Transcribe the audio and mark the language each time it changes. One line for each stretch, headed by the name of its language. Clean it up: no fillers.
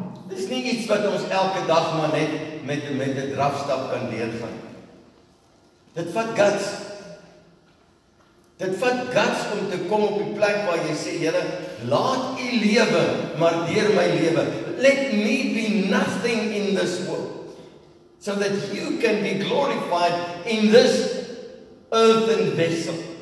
Afrikaans: Dit is nie iets wat ons elke dag maar net met die drafstap kan leergaan. Dit vat guts. Dit vat guts om te kom op die plek waar jy sê, Here, laat u lewe, maar deur my lewe.
English: Let me be nothing in this world, so that you can be glorified in this earthen vessel.